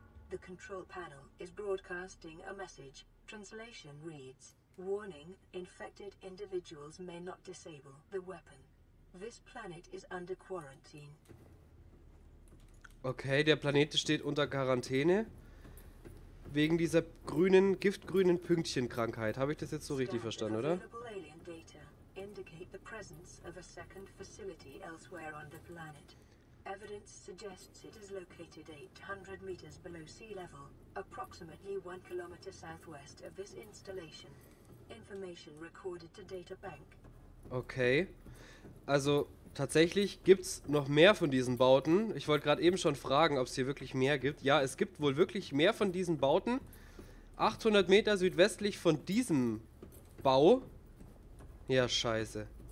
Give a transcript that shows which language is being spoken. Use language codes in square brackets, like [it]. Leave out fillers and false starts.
[en] The control panel is broadcasting a message. Translation reads: Warning, infected individuals may not disable the weapon. This planet is under quarantine. [de] Okay, der Planet steht unter Quarantäne. Wegen dieser grünen, giftgrünen Pünktchenkrankheit. Habe ich das jetzt so richtig verstanden, oder? [en] Information recorded to data bank. Okay. [de] Also tatsächlich gibt es noch mehr von diesen Bauten. Ich wollte gerade eben schon fragen, ob es hier wirklich mehr gibt. Ja, es gibt wohl wirklich mehr von diesen Bauten. 800 Meter südwestlich von diesem Bau. Ja, scheiße.